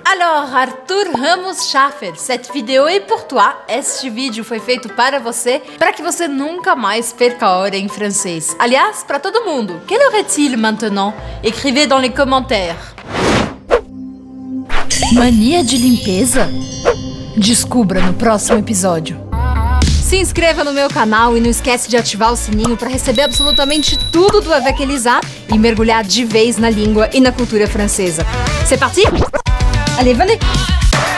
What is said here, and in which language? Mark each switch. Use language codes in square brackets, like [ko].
[fr] Alors, Arthur Ramos Schaffer, cette vidéo est pour toi. [pt] Este vídeo foi feito para você, para que você nunca mais perca a hora em francês. Aliás, para todo mundo. [fr] Quelle heure est-il maintenant? Écrivez dans les commentaires. [pt] Mania de limpeza? Descubra no próximo episódio. Se inscreva no meu canal e não esquece de ativar o sininho para receber absolutamente tudo do Avec Elisa e mergulhar de vez na língua e na cultura francesa. [fr] C'est parti? Allez, venez!